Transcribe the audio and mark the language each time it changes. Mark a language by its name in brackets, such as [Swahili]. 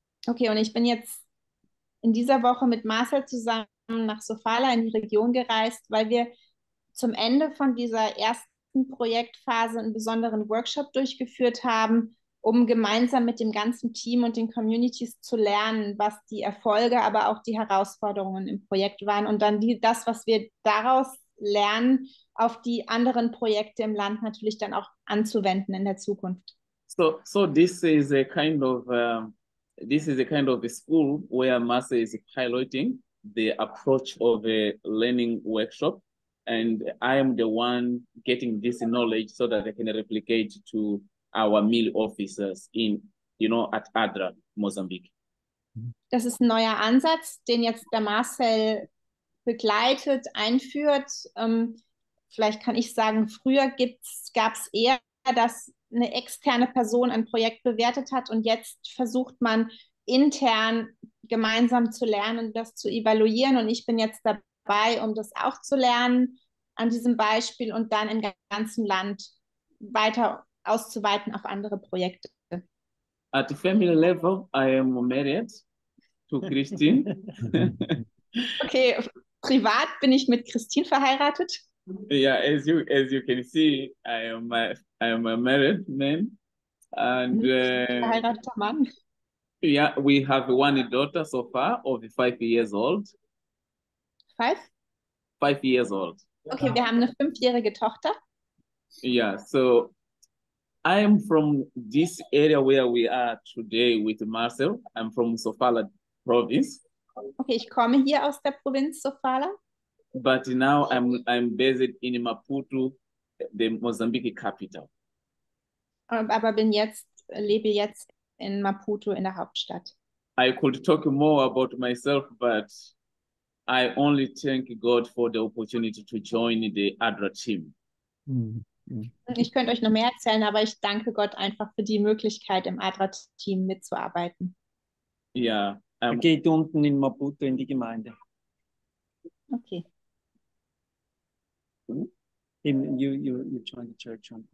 [German] Okay, und ich bin jetzt in dieser Woche mit Marcel zusammen nach Sofala in die Region gereist, weil wir zum Ende von dieser ersten Projektphase einen besonderen Workshop durchgeführt haben, um gemeinsam mit dem ganzen Team und den Communities zu lernen, was die Erfolge, aber auch die Herausforderungen im Projekt waren und dann das, was wir daraus lernen, auf die anderen Projekte im Land natürlich dann auch anzuwenden in der Zukunft. [English] So this is a kind of this is a kind of a school where Marcel is piloting the approach of a learning workshop, and I am the one getting this knowledge so that I can replicate to our meal officers in, you know, at ADRA Mozambique. [German] Das ist ein neuer Ansatz, den jetzt der Marcel begleitet, einführt. Vielleicht kann ich sagen, früher gab es eher, dass eine externe Person ein Projekt bewertet hat und jetzt versucht man intern gemeinsam zu lernen, das zu evaluieren. Und ich bin jetzt dabei, um das auch zu lernen an diesem Beispiel und dann im ganzen Land weiter auszuweiten auf andere Projekte. [English] At the family level, I am married to Christine. [German] Okay, privat bin ich mit Christine verheiratet. [English] Yeah, as you can see, I am a married man. And [German] verheirateter Mann. [English] Yeah, we have one daughter so far of 5 years old. Five years old. [German] Okay, wir haben eine 5-jährige Tochter. [English] Yeah, so I am from this area where we are today with Marcel. I'm from Sofala province. [German] Okay, ich komme hier aus der Provinz Sofala. [English] But now I'm based in Maputo, the Mozambique capital. [German] Aber lebe jetzt in Maputo in der Hauptstadt. [English] I could talk more about myself, but I only thank God for the opportunity to join the ADRA team. [German] Ich könnte euch noch mehr erzählen, aber ich danke Gott einfach für die Möglichkeit, im ADRA-Team mitzuarbeiten. Ja. Er geht unten in Maputo in die Gemeinde. Okay. [English] You joined the church on